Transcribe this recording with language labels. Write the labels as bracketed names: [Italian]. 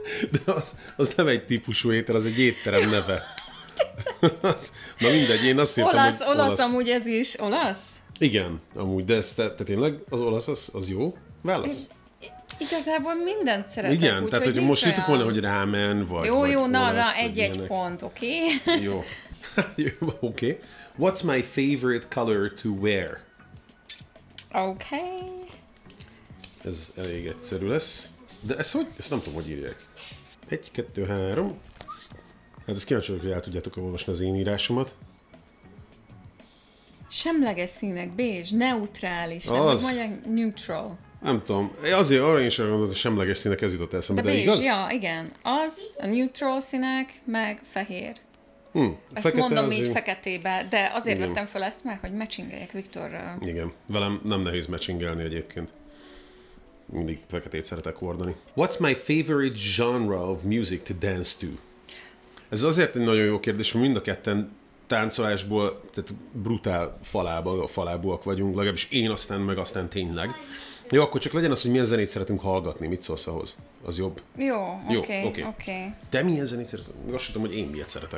[Hungarian] De az nem egy típusú étel, az egy étterem neve. Na mindegy, én azt hittem, olasz. Amúgy ez is. Olasz? Igen, amúgy, de ez te tényleg az olasz, az jó válasz? Igazából mindent szeretek. Igen, úgy, tehát hogy most hittük volna, hogy rámen, vagy jó, vagy na, olasz, na, egy pont, oké? Okay? Jó. Oké. Okay. [English] What's my favorite color to wear? Okay. [Hungarian] Ez elég egyszerű lesz. De ezt hogy? Ezt nem tudom, hogy írják. 1, 2, 3. Hát ezt kíváncsi vagyok, hogy el tudjátok olvasni az én írásomat. Semleges színek, bézs, neutrális, az... nem, hogy mondják, neutral. Nem tudom, azért arra én sem gondoltam, hogy semleges színek, ez jutott eszembe, de igaz? Ja, igen, az a neutral színek, meg fehér. Ezt mondom azért... így feketébe, de azért igen. Vettem fel ezt már, hogy matchingeljek Viktorral. Igen, velem nem nehéz matchingelni egyébként. Mindig feketét szeretek hordani. [English] What's my favorite genre of music to dance to? [Hungarian] Ez azért egy nagyon jó kérdés, mert mind a ketten táncolásból, tehát brutál falábúak vagyunk, legalábbis én aztán, meg aztán tényleg. Jó, akkor csak legyen az, hogy milyen zenét szeretünk hallgatni, mit szólsz ahhoz? Az jobb. Jó, oké, oké. De milyen zenét szeretek? Azt tudom, hogy én miért szeretek.